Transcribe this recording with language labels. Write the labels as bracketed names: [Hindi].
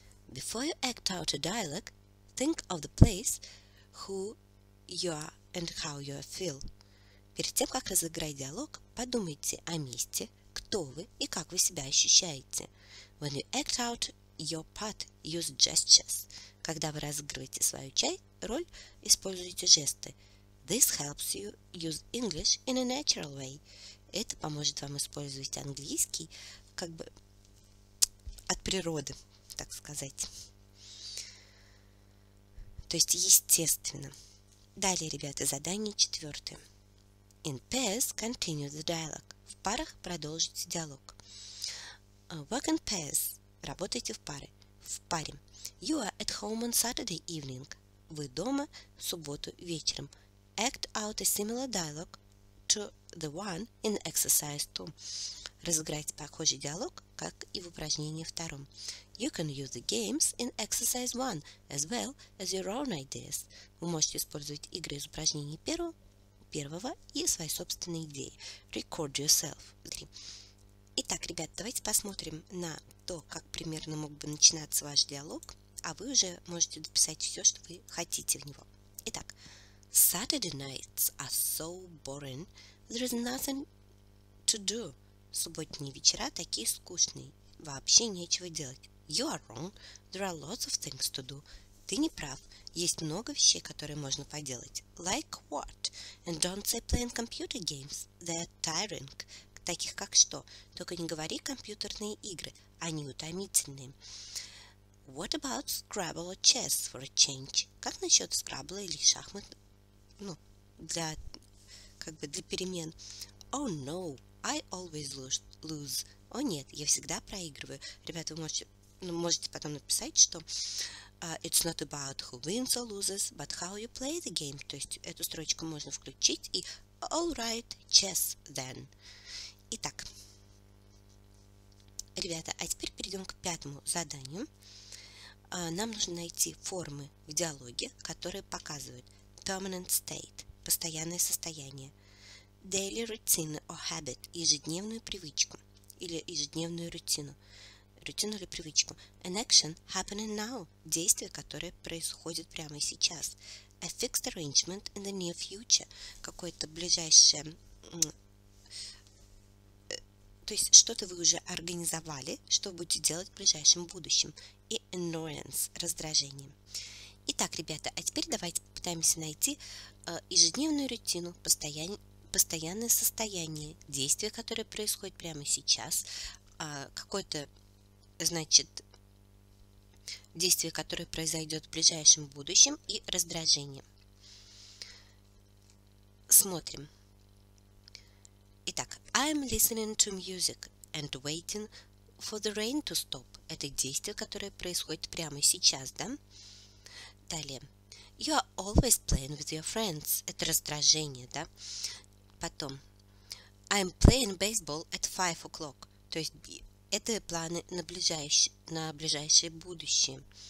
[English] Before you act out a dialogue, think of the place, who you are and how you feel. [Russian] Перед тем, как разыграть диалог, подумайте о месте, кто вы и как вы себя ощущаете. [English] When you act out your part, use gestures. [Russian] Когда вы разыгрываете свою роль, используйте жесты. [English] This helps you use English in a natural way. [Russian] Это поможет вам использовать английский как бы от природы, так сказать. То есть естественно. Далее, ребята, задание четвертое. [English] In pairs, continue the dialogue. [Russian] В парах продолжите диалог. [English] Work in pairs. [Russian] Работайте в паре. В паре. [English] You are at home on Saturday evening. [Russian] Вы дома в субботу вечером. [English] Act out a similar dialogue to the one in exercise 2. [Russian] Разыграйте похожий диалог, как и в упражнении втором. [English] You can use the games in exercise 1 as well as your own ideas. [Russian] Вы можете использовать игры из упражнений первого и свои собственные идеи. [English] Record yourself. [Russian] Итак, ребят, давайте посмотрим на то, как примерно мог бы начинаться ваш диалог, а вы уже можете дописать все, что вы хотите в него. [English] Итак, Saturday nights are so boring, there is nothing to do. [Russian] Субботние вечера такие скучные, вообще нечего делать. [English] You are wrong, there are lots of things to do. [Russian] Ты не прав. Есть много вещей, которые можно поделать. [English] Like what? And don't say playing computer games. They are tiring. [Russian] Таких как что? Только не говори компьютерные игры. Они утомительные. [English] What about Scrabble or chess for a change? [Russian] Как насчет Scrabble или шахмат? Ну, для, как бы для перемен. [English] Oh no, I always lose. [Russian] О нет, я всегда проигрываю. Ребята, вы можете потом написать, что... [English] it's not about who wins or loses, but how you play the game. [Russian] То есть эту строчку можно включить и [English] all right, chess then. [Russian] Итак, ребята, а теперь перейдем к пятому заданию. Нам нужно найти формы в диалоге, которые показывают [English] permanent state, [Russian] постоянное состояние, [English] daily routine or habit, [Russian] ежедневную привычку или ежедневную рутину. Рутину или привычку. [English] An action happening now. [Russian] Действие, которое происходит прямо сейчас. [English] A fixed arrangement in the near future. [Russian] Какое-то ближайшее... То есть, что-то вы уже организовали, что будете делать в ближайшем будущем. И annoyance, раздражение. Итак, ребята, а теперь давайте попытаемся найти ежедневную рутину, постоянное состояние, действие, которое происходит прямо сейчас, какое-то значит, действие, которое произойдет в ближайшем будущем, и раздражение. Смотрим. [English] Итак, I'm listening to music and waiting for the rain to stop. [Russian] Это действие, которое происходит прямо сейчас, да? [English] Далее. You are always playing with your friends. [Russian] Это раздражение, да? Потом. [English] I'm playing baseball at 5 o'clock. [Russian] То есть это планы на ближайшее будущее.